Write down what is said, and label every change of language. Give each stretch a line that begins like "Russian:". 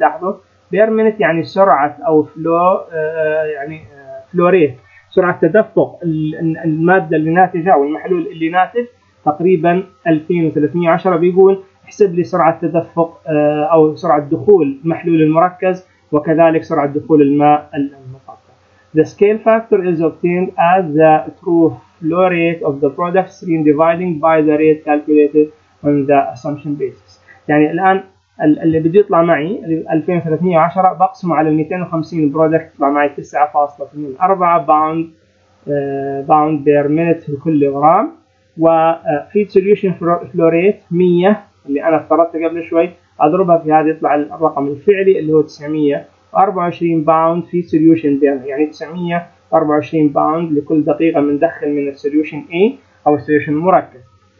Arabic: لاحظوا per minute يعني سرعة أو flow يعني flow rate، سرعة تدفق المادة اللي ناتجة أو المحلول اللي ناتج تقريبا 2310. بيقول احسب لي سرعة تدفق أو سرعة دخول محلول المركز وكذلك سرعة دخول الماء المقطع.
English: The scale factor is obtained as the true flow rate of the product stream dividing by the rate calculated on the assumption basis.
Arabic: يعني الآن اللي بدي يطلع معي 2310 بقسمه على 250 برودكت يطلع معي 9.4 باوند بير مينت لكل غرام. وفيد سوليوشن فلو ريت 100 اللي انا افترضته قبل شوي اضربها في هذا يطلع الرقم الفعلي اللي هو 924 باوند فيد سوليوشن بير، يعني 924 باوند لكل دقيقة مندخل من السوليوشن A او السوليوشن المركز.